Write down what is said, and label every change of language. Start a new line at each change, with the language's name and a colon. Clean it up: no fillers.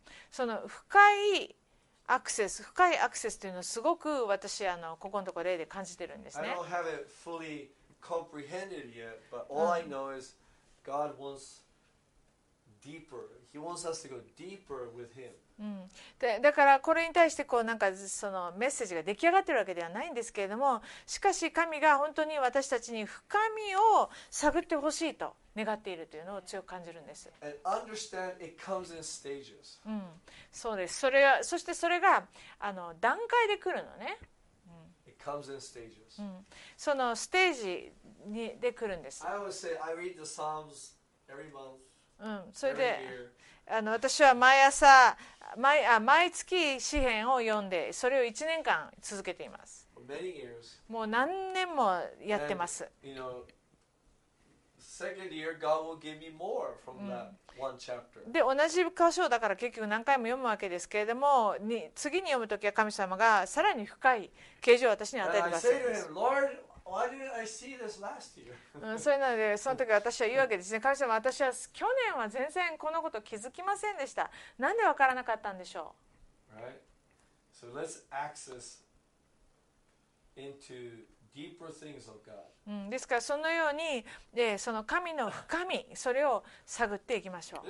Japanese: その深いアクセスというのをすごく私ここのところ例で感じてるんですね。
English: I don't have it fully comprehended yet, but all I know is God wants deeper. He wants us to go deeper with Him.
Japanese: だからこれに対してなんかそのメッセージが出来上がってるわけではないんですけれども、しかし神が本当に私たちに深みを探ってほしいと願っているというのを強く感じるんです。
English: And understand it comes in stages.
Japanese: そうです。それはそしてそれが段階で来るのね。
English: It It comes in stages.
Japanese: そのステージにで来るんです。
English: I would say I read the Psalms every month.
Japanese: それで、私は毎朝、毎月詩編を読んで、それを1年間続けています。
English: Many years.
Japanese: もう何年もやってます。
English: And, you know,Second year, God will give me more from that one chapter.
Japanese: で同じ箇所だから結局何回も読むわけですけれども、に次に読むときは神様がさらに深い啓示を私に与えてます。
English: And I say to him, Lord, why didn't I see this last year?
Japanese: それなのでその時私は言うわけですね。神様、私は去年は全然このこと気づきませんでした。なんでわからなかったんでしょう。
English: Right. So let's access into deeper things of God.
Japanese: ですからそのように、その神の深み、それを探っていきましょう。